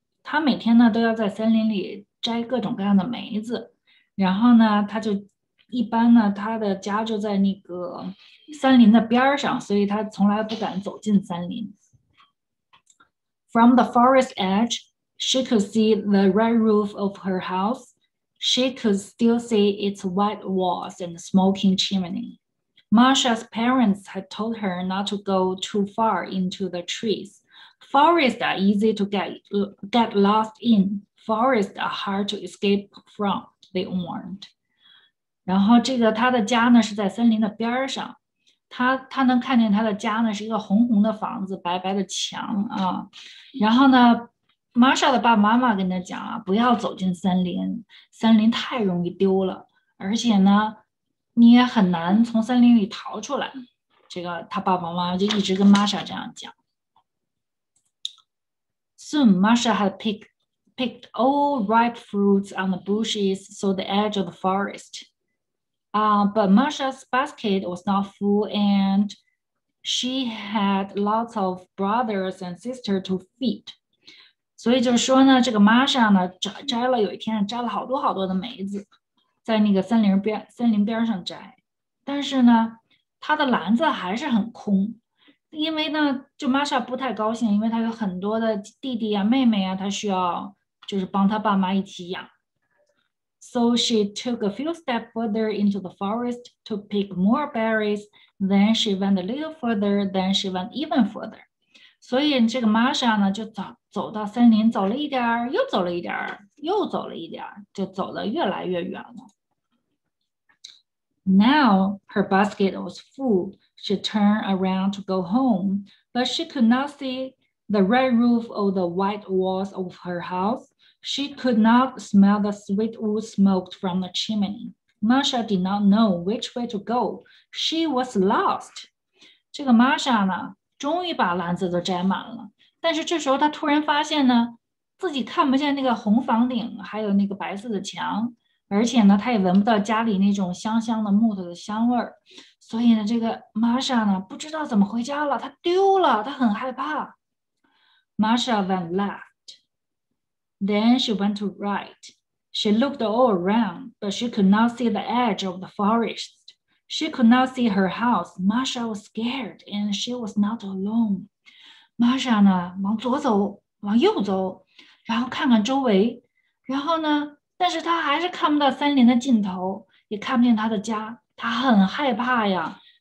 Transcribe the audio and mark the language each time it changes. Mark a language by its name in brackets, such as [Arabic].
[Chinese] 她每天呢都要在森林里摘各种各样的梅子，然后呢，她就一般呢，她的家就在那个森林的边上，所以她从来不敢走进森林。 [English] From the forest edge, she could see the red roof of her house. She could still see its white walls and smoking chimney. Masha's parents had told her not to go too far into the trees. Forests are easy to get lost in. Forests are hard to escape from, they warned. [Chinese] 然后这个她的家呢是在森林的边上。他能看见他的家呢是一个红红的房子白白的墙啊。然后呢 ,Masha 的爸爸妈妈跟他讲啊不要走进森林森林太容易丢了而且呢你也很难从森林里逃出来。这个他爸爸妈妈就一直跟 Masha 这样讲。 [English] Soon, Masha had picked all ripe fruits on the bushes so the edge of the forest. But Masha's basket was not full, and she had lots of brothers and sisters to feed. [Chinese] 所以就是说呢，这个 Masha 呢，摘了有一天摘了好多好多的梅子，在那个森林边上摘，但是呢，她的篮子还是很空，因为呢，就 Masha 不太高兴，因为她有很多的弟弟啊、妹妹啊，她需要就是帮她爸妈一起养。 [English] So she took a few steps further into the forest to pick more berries. Then she went a little further. Then she went even further. [Chinese] 所以这个 Masha 呢，就走到森林，走了一点儿，又走了一点儿，又走了一点儿，就走得越来越远了。 [English] Now her basket was full. She turned around to go home, but she could not see the red roof or the white walls of her house. She could not smell the sweet wood smoke from the chimney. Masha did not know which way to go. She was lost. [Chinese] 这个 Masha 呢，终于把篮子都摘满了。但是这时候她突然发现呢，自己看不见那个红房顶，还有那个白色的墙，而且呢，她也闻不到家里那种香香的木头的香味儿。所以呢，这个 Masha 呢，不知道怎么回家了，她丢了，她很害怕。 [English] Masha went left. Then she went to right. She looked all around, but she could not see the edge of the forest. She could not see her house. Masha was scared, and she was not alone. [Chinese] Masha 呢，往左走，往右走，然后看看周围，然后呢，但是她还是看不到森林的尽头，也看不见她的家，她很害怕呀。